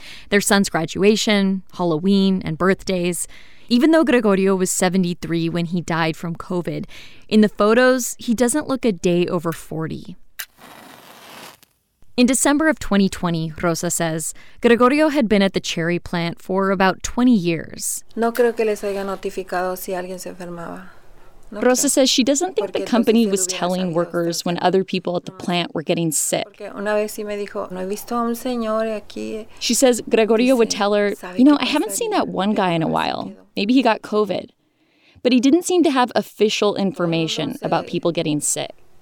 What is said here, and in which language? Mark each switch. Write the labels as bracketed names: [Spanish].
[English] Their son's graduation, Halloween, and birthdays. Even though Gregorio was 73 when he died from COVID, in the photos, he doesn't look a day over 40. In December of 2020, Rosa says, Gregorio had been at the cherry plant for about 20 years. [Spanish] No creo que les haya notificado si alguien se enfermaba. [English] Rosa says she doesn't think the company was telling workers when other people at the plant were getting sick. She says Gregorio would tell her, you know, I haven't seen that one guy in a while. Maybe he got COVID. But he didn't seem to have official information about people getting sick.